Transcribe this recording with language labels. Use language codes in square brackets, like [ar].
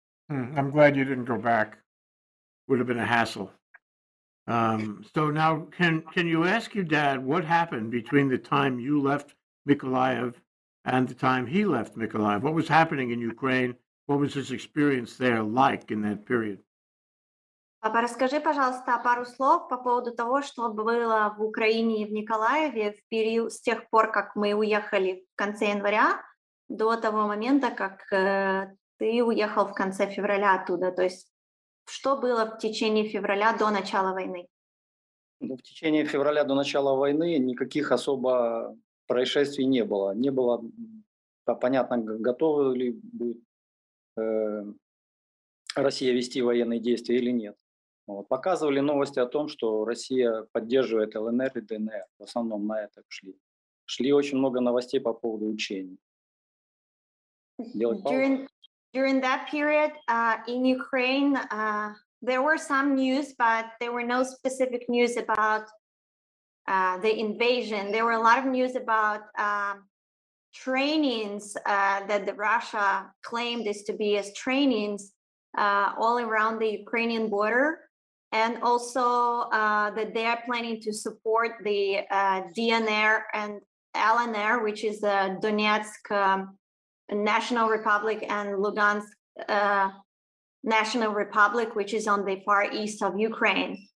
[en] I'm glad you didn't go back. Would have been a hassle. So now, can you ask your dad what happened between the time you left Mykolaiv and the time he left Mykolaiv? What was happening in Ukraine? What was his experience there like in that period? [ru] Папа, розкажи, пожалуйста, пару слов по поводу того, що було в Україні і в Миколаєві в період з тих пор, як ми уїхали в кінці января до того моменту, як ти уїхав в кінці февраля оттуда. Тобто, що було в течение февраля до начала війни? Ну, в течение февраля до начала війни ніяких особо происшествий не було. Не було, та понятно, готовы ли будет Россия вести военные действия или нет. Вот. Показывали новости о том, что Россия поддерживает ЛНР и ДНР. В основном на это шли. Шли очень много новостей по поводу учений. [en] During that period in Ukraine there were some news, but there were no specific news about the invasion. There were a lot of news about trainings that the Russia claimed is to be as trainings all around the Ukrainian border, and also that they are planning to support the DNR and LNR, which is the Donetsk National Republic and Lugansk National Republic, which is on the far east of Ukraine.